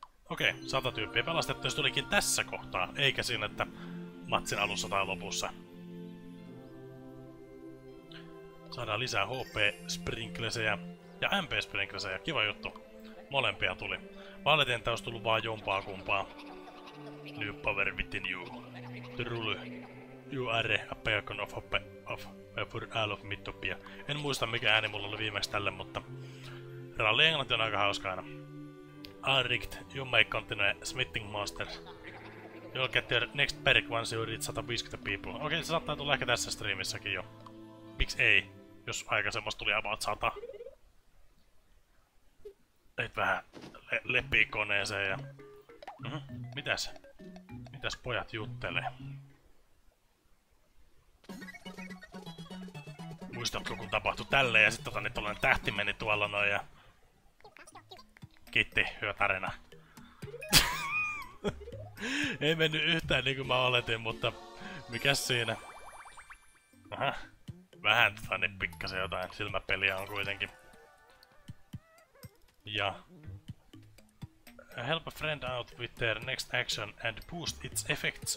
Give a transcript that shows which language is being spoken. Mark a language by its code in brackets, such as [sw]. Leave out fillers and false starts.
[fi] Okei, 100 tyyppiä pelastettu, ja se tulikin tässä kohtaa, eikä siinä, että matsin alussa tai lopussa. Saadaan lisää HP-sprinklesejä ja MP-sprinklesejä, kiva juttu. Molempia tuli. Valitin, että olisi tullut vaan jompaa kumpaa. [en] New power within you. Truly. You are a beacon of hope for all of Midtopia. [fi] En muista, mikä ääni mulla oli viimeksi tälle, mutta Ralli Englanti on aika hauska aina. [en] Arrigt, you may continue smitting monsters. You'll get your next perk once you reach 150 people. [fi] Okei, se saattaa tulla ehkä tässä streamissäkin jo. Miks ei, jos aikaisemmas tuli about 100. Et vähän leppii koneeseen ja... Mitäs? Mitäs pojat juttelee? Muistatko, kun tapahtui tälleen ja sitten niin tollanen tähti meni tuolla noin ja... Kiitti, hyvä tarina. Ei mennyt yhtään niinku mä oletin, mutta mikäs siinä? Vähän tällainen pikkasen jotain silmäpeliä on kuitenkin. Ja... [en] Help a friend out with their next action and boost its effects.